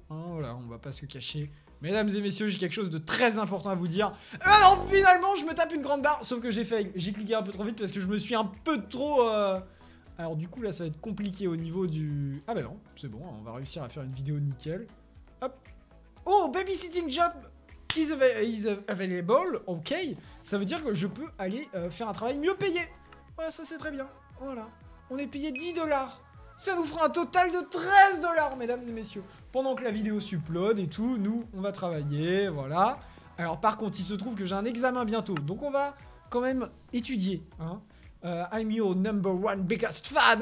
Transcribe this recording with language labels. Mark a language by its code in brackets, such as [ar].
[fr] Hein, voilà, on va pas se cacher. Mesdames et messieurs, j'ai quelque chose de très important à vous dire. Alors, finalement, je me tape une grande barre. Sauf que j'ai fail. J'ai cliqué un peu trop vite parce que je me suis un peu trop... Alors, du coup, là, ça va être compliqué au niveau du... Ah, bah non, c'est bon. On va réussir à faire une vidéo nickel. Hop. [en] Oh, babysitting job is available. [fr] Ok. Ça veut dire que je peux aller faire un travail mieux payé. Voilà, ça, c'est très bien. Voilà. On est payé 10$. Ça nous fera un total de 13$, mesdames et messieurs. Pendant que la vidéo s'upload et tout, nous, on va travailler, voilà. Alors, par contre, il se trouve que j'ai un examen bientôt. Donc, on va quand même étudier. Hein. [en] I'm your number one biggest fan.